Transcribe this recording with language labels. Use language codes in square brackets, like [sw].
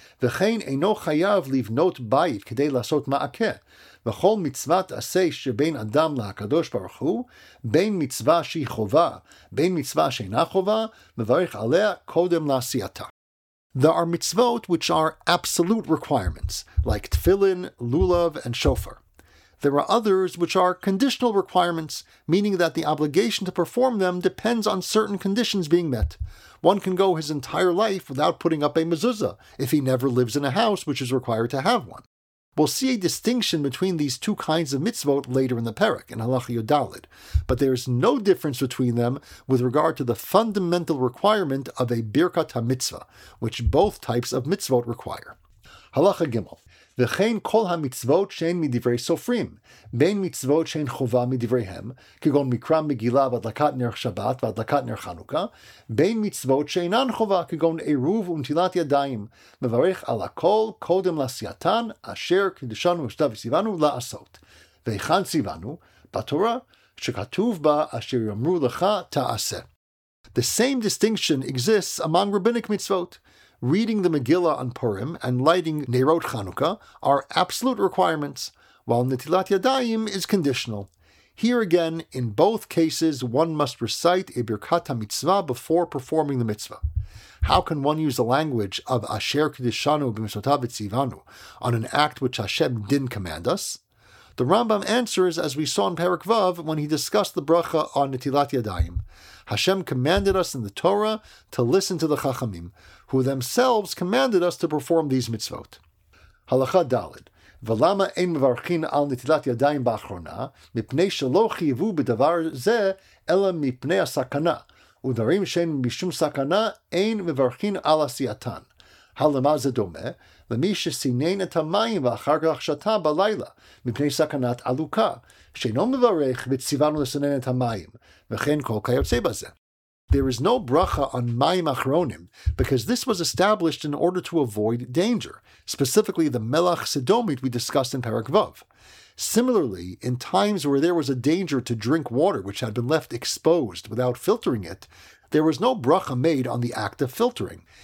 [he] וכן אינו חייב לבנות בית כדי לעשות מעקה, וכל מצוות עשה שבין אדם להקדוש ברוך הוא, בין מצווה שהיא חובה, בין מצווה שאינה חובה, מברך עליה קודם לעשייתה. [en] There are mitzvot which are absolute requirements, like tefillin, lulav, and shofar. There are others which are conditional requirements, meaning that the obligation to perform them depends on certain conditions being met. One can go his entire life without putting up a mezuzah if he never lives in a house which is required to have one. We'll see a distinction between these two kinds of mitzvot later in the perek, in Halacha Yud Daled, but there is no difference between them with regard to the fundamental requirement of a birkat hamitzvah, which both types of mitzvot require. [he] Halacha Gimel. וכן כל המצוות שאין מדברי סופרים, בין מצוות שאין חובה מדבריהם, כגון מקרא מגילה והדלקת נר שבת והדלקת נר חנוכה, בין מצוות שאינן חובה, כגון עירוב ונטילת ידיים, מברך על הכל קודם לעשייתן, אשר קדשנו ושתה וסיוונו לעשות. והיכן סיוונו? בתורה, שכתוב בה אשר יאמרו לך תעשה. [en] The same distinction exists among rabbinic mitzvot. Reading the Megillah on Purim and lighting Neirot Chanukah are absolute requirements, while Netilat Yadayim is conditional. Here again, in both cases, one must recite a Birkat HaMitzvah before performing the mitzvah. How can one use the language of [he] Asher Kedishanu B'Mitzvotav V'Tzivanu [en] on an act which Hashem didn't command us? The Rambam answers as we saw in Perek Vav when he discussed the bracha on Netilat Yadayim. Hashem commanded us in the Torah to listen to the Chachamim, who themselves commanded us to perform these mitzvot. [he] Halacha Dalet. V'lama ein mevarchin al netilat yadayim ba'achrona, mipnei shelo chiyvu b'davar ze, ela mipnei ha-sakana, udarim shein mishum sakana ein mevarchin al asiyatan. Halama ze dome, למי שסינן את המים ואחר כך שתה בלילה, מפני סכנת עלוקה, שאינו מברך וציוונו לסנן את המים, וכן כל כיוצא בזה. [en] There is no bracha on mayim achronim, because this was established in order to avoid danger, specifically the melach sedomit we discussed in Perek Vav. Similarly, in times where there was a danger to drink water which had been left exposed without filtering it, there was no bracha made on the act of filtering.